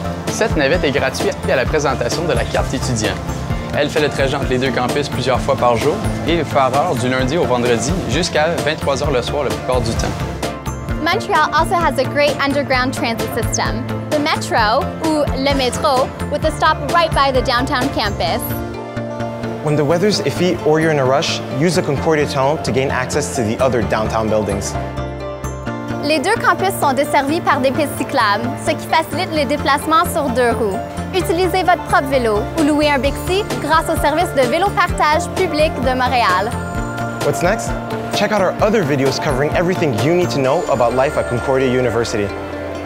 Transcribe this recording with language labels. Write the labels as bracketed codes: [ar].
[fr] Cette navette est gratuite à la présentation de la carte étudiant. Elle fait le trajet entre les deux campus plusieurs fois par jour et par heure du lundi au vendredi jusqu'à 23h le soir la plupart du temps. [en] Montreal also has a great underground transit system, the metro, [fr] ou le métro, [en] with a stop right by the downtown campus. When the weather's iffy or you're in a rush, use the Concordia tunnel to gain access to the other downtown buildings. [fr] Les deux campus sont desservis par des pistes cyclables, ce qui facilite les déplacements sur deux roues. Utilisez votre propre vélo ou louez un bixi grâce au service de vélo partage public de Montréal. [en] What's next? Check out our other videos covering everything you need to know about life at Concordia University.